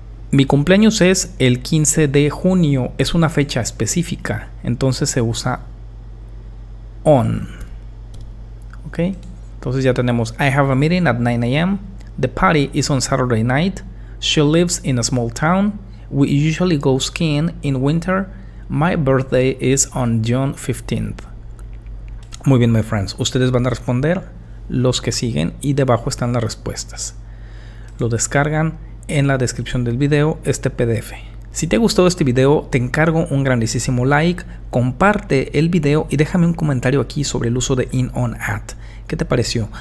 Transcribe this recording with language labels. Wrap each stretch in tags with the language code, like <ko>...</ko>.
<es>Mi cumpleaños es el 15 de junio, es una fecha específica, entonces se usa on. Ok, entonces ya tenemos:</es> <en>I have a meeting at 9 a.m. The party is on Saturday night. She lives in a small town. We usually go skiing in winter. My birthday is on June 15th.</en> <es>Muy bien,</es> <en>my friends.</en> <es>Ustedes van a responder los que siguen y debajo están las respuestas. Lo descargan en la descripción del video, este PDF. Si te ha gustado este video, te encargo un grandísimo like, comparte el video y déjame un comentario aquí sobre el uso de in, on, at. ¿Qué te pareció?</es>